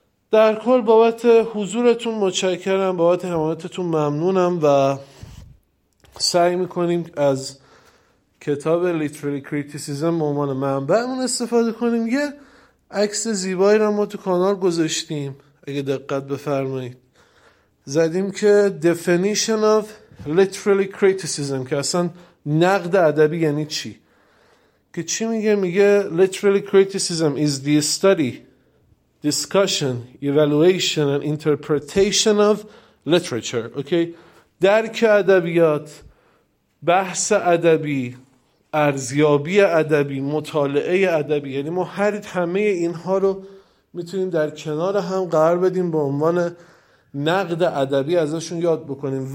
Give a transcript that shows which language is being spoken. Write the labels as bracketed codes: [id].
[fa] در کل بابت حضورتون متشکرم، بابت حمایتتون ممنونم و سعی میکنیم از کتاب Literary Criticism به عنوان منبعمون استفاده کنیم. یه عکس زیبایی رو ما تو کانال گذاشتیم، اگه دقت بفرمایید، زدیم که [en] definition of literary criticism [fa] که اصلا نقد ادبی یعنی چی، که چی میگه؟ میگه [en] literary criticism is the study, discussion, evaluation and interpretation of literature. [fa] اوکی، درک ادبیات، بحث ادبی، ارزیابی ادبی، مطالعه ادبی، یعنی ما هر همه اینها رو میتونیم در کنار هم قرار بدیم به عنوان نقد ادبی ازشون یاد بکنیم.